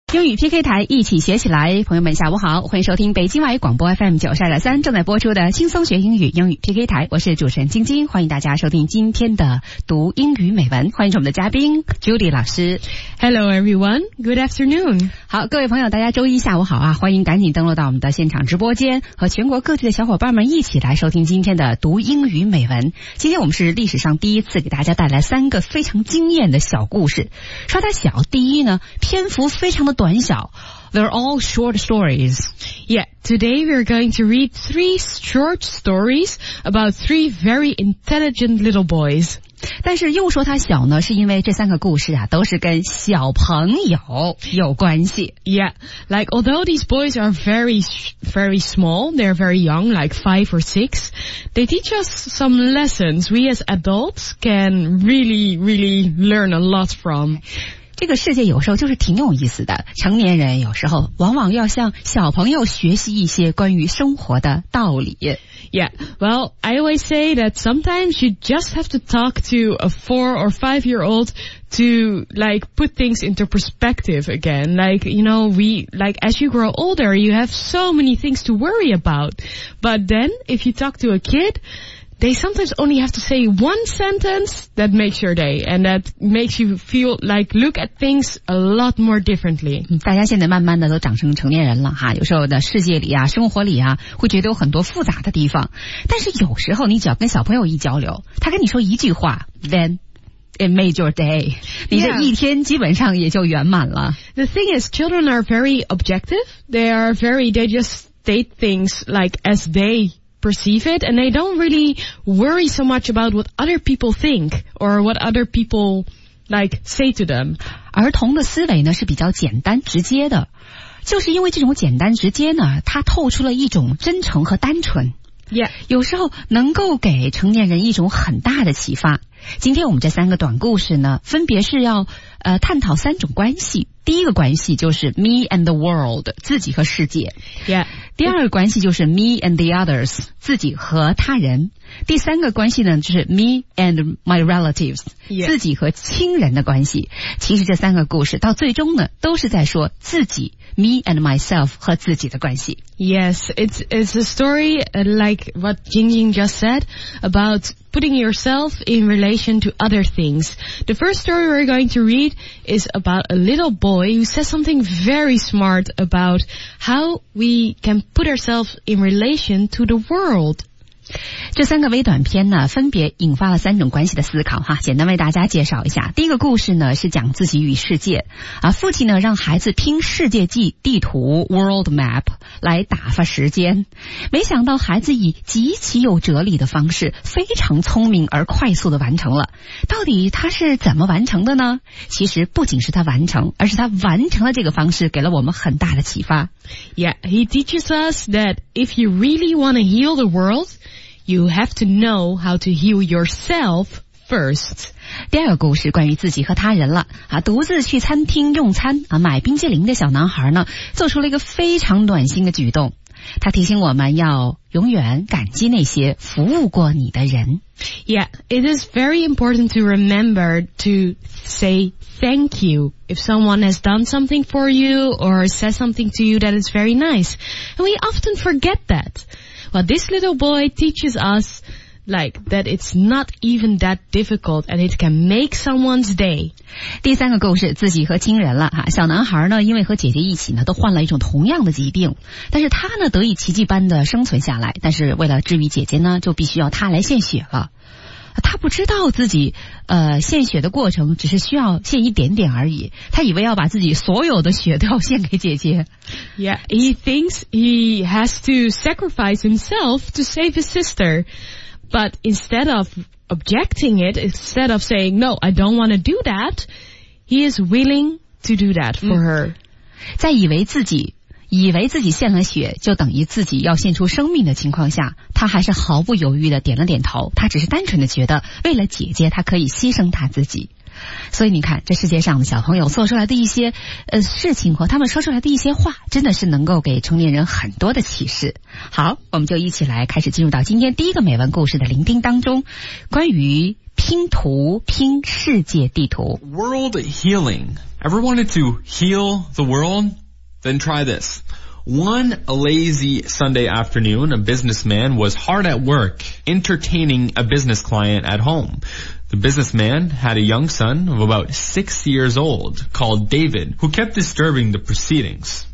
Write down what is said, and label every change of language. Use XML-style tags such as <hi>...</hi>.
<zh>英语 PK 台一起学起来，朋友们下午好，欢迎收听北京外语广播 FM 92.3正在播出的轻松学英语英语 PK 台，我是主持人晶晶，欢迎大家收听今天的读英语美文，欢迎我们的嘉宾 Judy 老师。</zh> <en>Hello everyone, good afternoon.</en> <zh>好，各位朋友，大家周一下午好啊，欢迎赶紧登录到我们的现场直播间，和全国各地的小伙伴们一起来收听今天的读英语美文。今天我们是历史上第一次给大家带来三个非常惊艳的小故事。说它小，第一呢，篇幅非常的短小。</zh> <en>They're all short stories. Yeah, today we are going to read three short stories about three very intelligent little boys.</en> <zh>但是又说它小呢，是因为这三个故事啊，都是跟小朋友有关系。</zh> <en>Yeah, like although these boys are very, very small, they're very young, like 5 or 6, they teach us some lessons we as adults can really, really learn a lot from.</en> <zh>这个世界有时候就是挺有意思的，成年人有时候往往要向小朋友学习一些关于生活的道理。</zh> <en>Yeah, well, I always say that sometimes you just have to talk to a 4 or 5 year old to like put things into perspective again. Like, you know, we, like as you grow older, you have so many things to worry about. But then, if you talk to a kid,They sometimes only have to say one sentence that makes your day, and that makes you feel like look at things a lot more differently.</en> <zh>大家现在慢慢的都长成成年人了哈，有时候的世界里啊，生活里啊，会觉得有很多复杂的地方。但是有时候你只要跟小朋友一交流，他跟你说一句话 ， then it made your day. 你这一天基本上也就圆满了。</zh> <en>Yeah. The thing is, children are very objective. They just state things like as they. Perceive it, and they don't really worry so much about what other people think or what other people like say to them.</en> <zh>儿童的思维呢是比较简单直接的，就是因为这种简单直接呢，它透出了一种真诚和单纯。</zh> <en>Yeah.</en> <zh>有时候能够给成年人一种很大的启发。今天我们这三个短故事呢，分别是要探讨三种关系。第一个关系就是 me and the world, 自己和世界。</zh> <en>Yeah.</en> <zh>第二个关系就是 me and the others, 自己和他人。第三个关系呢，就是 me and my relatives,、</zh> <en>yeah.</en> <zh>自己和亲人的关系。其实这三个故事到最终呢，都是在说自己 me and myself 和自己的关系。</zh> <en>Yes, it's a story like what Jingjing just said about putting yourself in relation to other things. The first story we're going to read is about a little boy who says something very smart about how we can put ourselves in relation to the world.</en> <zh>这三个微短片呢，分别引发了三种关系的思考哈。简单为大家介绍一下，第一个故事呢是讲自己与世界啊。父亲呢让孩子拼世界地图 World Map 来打发时间，没想到孩子以极其有哲理的方式，非常聪明而快速的完成了。到底他是怎么完成的呢？其实不仅是他完成，而是他完成了这个方式，给了我们很大的启发。</zh> <en>Yeah, he teaches us that if you really want to heal the world. You have to know how to heal yourself first.</en> <zh>第二个故事关于自己和他人了啊，独自去餐厅用餐啊，买冰淇淋的小男孩呢，做出了一个非常暖心的举动。他提醒我们要永远感激那些服务过你的人。</zh> <en>Yeah, it is very important to remember to say thank you if someone has done something for you or said something to you that is very nice. And we often forget that. But this little boy teaches us, like, that it's not even that difficult and it can make someone's day.</en> <zh>第三个故事，自己和亲人了哈。小男孩呢，因为和姐姐一起呢，都患了一种同样的疾病，但是他呢，得以奇迹般的生存下来。但是为了治愈姐姐呢，就必须要他来献血了。他不知道自己献血的过程只是需要献一点点而已，他以为要把自己所有的血都要献给姐姐。</zh> <en>Yeah, he thinks he has to sacrifice himself to save his sister. But instead of objecting it, instead of saying, no, I don't want to do that, he is willing to do that for her.</en> <zh>在以为自己献了血就等于自己要献出生命的情况下，他还是毫不犹豫地点了点头。他只是单纯地觉得为了姐姐他可以牺牲他自己。所以你看，这世界上的小朋友做出来的一些事情和他们说出来的一些话，真的是能够给成年人很多的启示。好，我们就一起来开始进入到今天第一个美文故事的聆听当中，关于拼图，拼世界地图。</zh> <en>World healing. Ever wanted to heal the world? Then try this. One lazy Sunday afternoon, a businessman was hard at work entertaining a business client at home. The businessman had a young son of about 6 years old called David, who kept disturbing the proceedings.</en>